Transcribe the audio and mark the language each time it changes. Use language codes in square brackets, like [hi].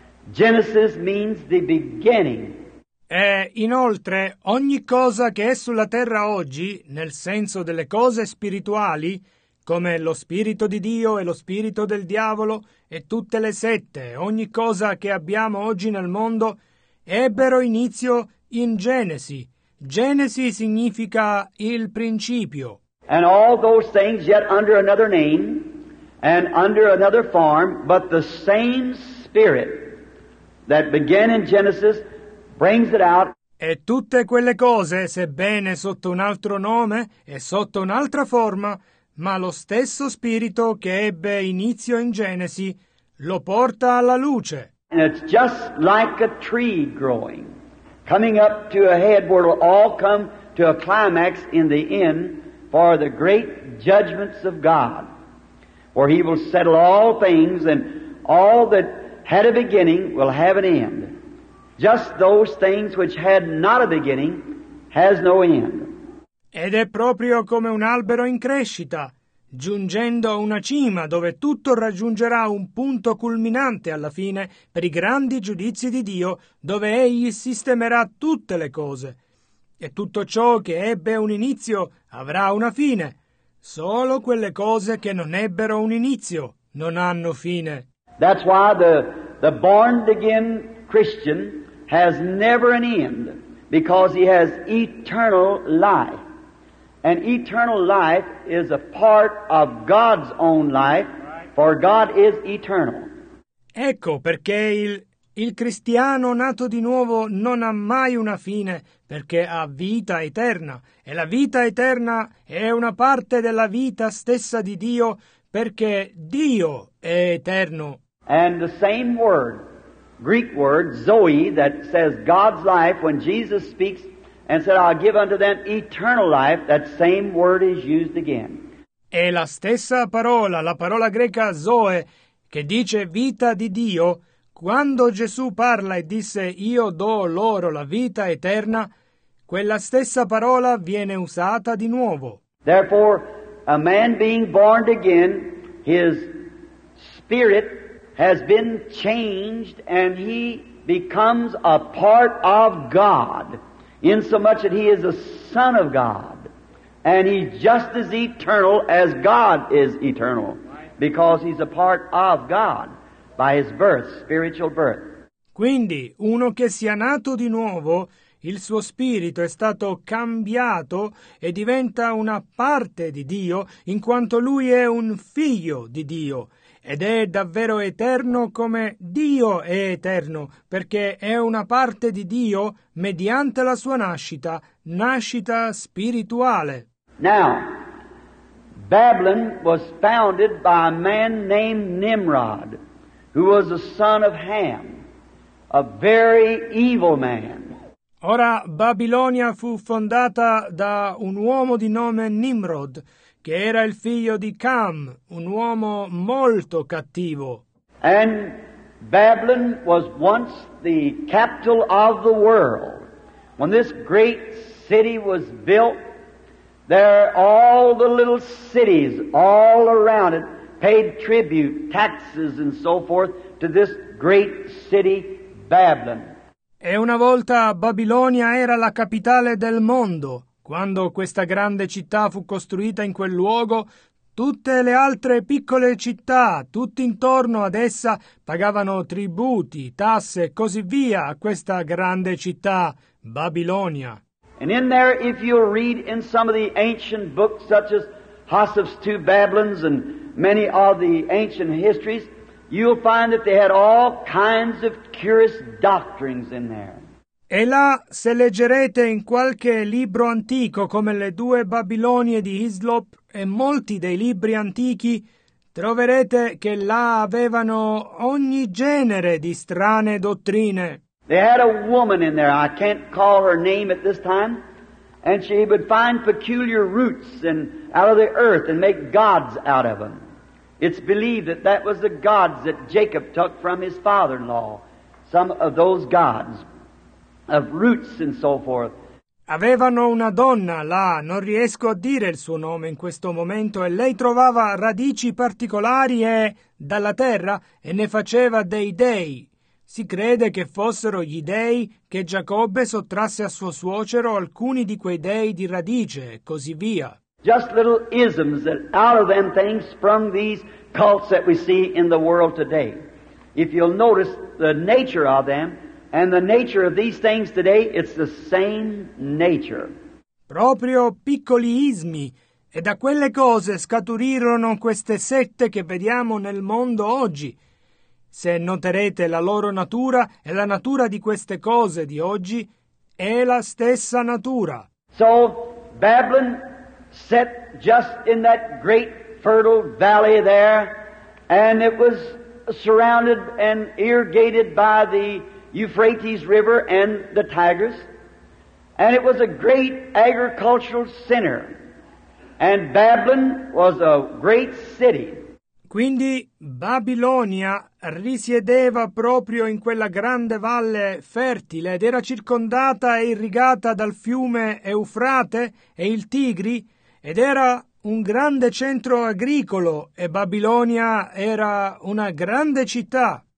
[en] Genesis means the beginning. [it] E inoltre, ogni cosa che è sulla terra oggi, nel senso delle cose spirituali, come lo spirito di Dio e lo spirito del diavolo e tutte le sette, ogni cosa che abbiamo oggi nel mondo, ebbero inizio in Genesi. Genesi significa il principio. [en] And all those things yet under another name and under another form, but the same spirit that began in Genesis brings it out. [it] E tutte quelle cose, sebbene sotto un altro nome e sotto un'altra forma, ma lo stesso spirito che ebbe inizio in Genesi lo porta alla luce. [en] And it's just like a tree growing, coming up to a head where it will all come to a climax in the end for the great judgments of God, where He will settle all things and all that had a beginning will have an end. Just those things which had not a beginning has no end. [it] Ed è proprio come un albero in crescita, giungendo a una cima dove tutto raggiungerà un punto culminante alla fine per i grandi giudizi di Dio, dove Egli sistemerà tutte le cose. E tutto ciò che ebbe un inizio avrà una fine. Solo quelle cose che non ebbero un inizio non hanno fine. [en] That's why the born again Christian has never an end, because he has eternal life. And eternal life is a part of God's own life, for God is eternal. [it] Ecco perché il cristiano nato di nuovo non ha mai una fine, perché ha vita eterna. E la vita eterna è una parte della vita stessa di Dio, perché Dio è eterno. [en] And the same word, Greek word, Zoe, that says God's life, when Jesus speaks and said, I'll give unto them eternal life, that same word is used again. [it] E la stessa parola, la parola greca Zoe, che dice vita di Dio, quando Gesù parla e disse, io do loro la vita eterna, quella stessa parola viene usata di nuovo. [en] Therefore, a man being born again, his spirit has been changed and he becomes a part of God, in so much that he is a son of God, and he's just as eternal as God is eternal, because he's a part of God by his birth, spiritual birth. [it] Quindi, uno che sia nato di nuovo, il suo spirito è stato cambiato e diventa una parte di Dio, in quanto lui è un figlio di Dio, ed è davvero eterno come Dio è eterno, perché è una parte di Dio mediante la sua nascita, nascita spirituale. [en] Now, Babylon was founded by a man named Nimrod, who was a son of Ham, a very evil man. [it] Ora, Babilonia fu fondata da un uomo di nome Nimrod, che era il figlio di Cam, un uomo molto cattivo. [en] And Babylon was once the capital of the world. When this great city was built, there all the little cities all around it paid tribute, taxes and so forth to this great city Babylon. [it] E una volta Babilonia era la capitale del mondo. Quando questa grande città fu costruita in quel luogo, tutte le altre piccole città, tutti intorno ad essa, pagavano tributi, tasse e così via a questa grande città, Babilonia. [en] And in there, if you'll read in some of the ancient books, such as Hoseph's Two Babylons and many of the ancient histories, you'll find that they had all kinds of curious doctrines in there. [it] E là, se leggerete in qualche libro antico come le due Babilonie di Hislop e molti dei libri antichi, troverete che là avevano ogni genere di strane dottrine. [en] They had a woman in there, I can't call her name at this time, and she would find peculiar roots and out of the earth and make gods out of them. It's believed that that was the gods that Jacob took from his father-in-law, some of those gods. Of roots and so forth. [it] Avevano una donna là, non riesco a dire il suo nome in questo momento, e lei trovava radici particolari e dalla terra e ne faceva dei dei. Si crede che fossero gli dei che Giacobbe sottrasse a suo suocero alcuni di quei dei di radice e così via. [en] Just little isms that out of them things from these cults that we see in the world today. If you'll notice the nature of them, and the nature of these things today, it's the same nature. [it] Proprio piccoli ismi, e da quelle cose scaturirono queste sette che vediamo nel mondo oggi. Se noterete la loro natura e la natura di queste cose di oggi, è la stessa natura. [en] So Babylon set just in that great fertile valley there, and it was surrounded and irrigated by the Euphrates River and the Tigris, and it was a great agricultural center, and Babylon was a great city. [it] Quindi Babilonia risiedeva proprio in quella grande valle fertile ed era circondata e irrigata dal fiume Eufrate e il Tigri, ed era un grande centro agricolo, e Babilonia era una grande città.